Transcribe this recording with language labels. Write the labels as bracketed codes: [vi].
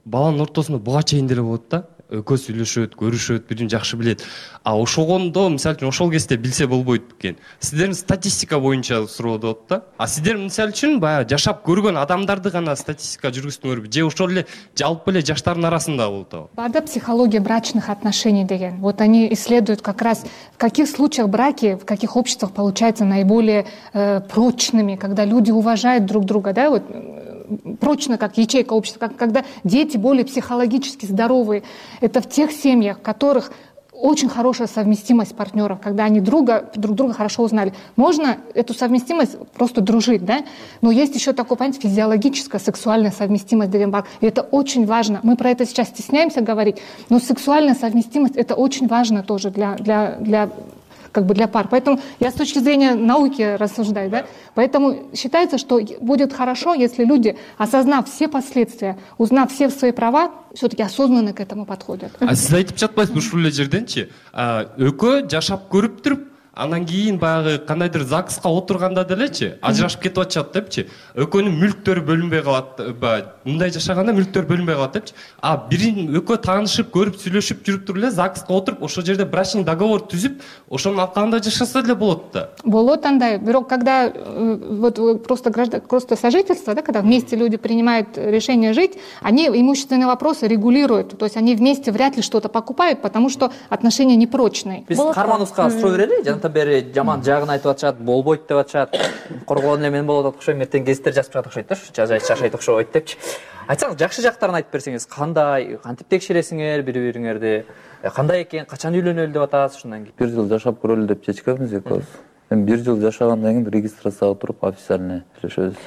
[ky] Баланын ортосунда буга чейин деле болот да. Экөө сүйлөшөт, көрүшөт, бүтүн жакшы билет. А ошогондо мисалы үчүн ошол кезде билсе болбойт экен. Сиздердин статистика боюнча суроо болот да. А сиздер мисалы үчүн баягы жашап көргөн адамдарды гана статистика жүргүзтүңөрбү же ошол эле жалпы эле жаштардын арасындабы болуп атабы? Бар да [ru] психология брачных отношений [ky] деген. [ru] Вот они исследуют как раз в каких случаях браки, в каких обществах получаются наиболее прочными, когда люди уважают друг друга, да, вот прочно, как ячейка общества, как, когда дети более психологически здоровые. Это в тех семьях, в которых очень хорошая совместимость партнеров, когда они друг друга хорошо узнали. Можно эту совместимость просто дружить, да? Но есть еще такое, понимаете, физиологическая сексуальная совместимость Деренбарк. И это очень важно. Мы про это сейчас стесняемся говорить, но сексуальная совместимость – это очень важно тоже для как бы для пар. Поэтому я с точки зрения науки рассуждаю, да? Поэтому считается, что будет хорошо, если люди, осознав все последствия, узнав все свои права, все-таки осознанно к этому подходят. [ky] А сиз айтып жатпайсызбы ушул эле жерденчи? Экөө жашап көрүп туруп, анан кийин баягы кандайдыр ЗАГСка отурганда делечи, ажырашып кетип атышат депчи. Экөөнүн мүлктөрү бөлүнбөй калат, мындай жашаганда мүлктөр бөлүнбөй калат депчи. А бирин экөө таанышып, көрүп, сүйлөшүп жүрүп туруп эле ЗАГСка отуруп, ошол жерде [ru] брачный договор [ky] түзүп, ошонун аркасында жашаса эле болот да. Болот андай, бирок [ru] когда вот просто просто сожительство, да, когда вместе люди принимают решение жить, они имущественные вопросы регулируют. То есть они вместе вряд ли что-то покупают, потому что отношения непрочные. [ky] Биз Кармановска суроо берели. Жанта бери жаман жагын айтып атышат, болбойт деп атышат, коргогон эле менен болот атат окшойм, эртең гезиттер жазып чыгат окшойт, жашайт окшойт депчи. Айтсаңыз жакшы жактарын айтып берсеңиз, кандай, кантип текшересиңер бири бириңерди, кандай экен, качан үйлөнөлү деп атасыз ушундан кийин? Бир жыл жашап көрөлү деп чечкенбиз экөөбүз. Эми бир жыл жашагандан кийин регистрацияга туруп [ru] официальный [ky] сүйлөшөбүз.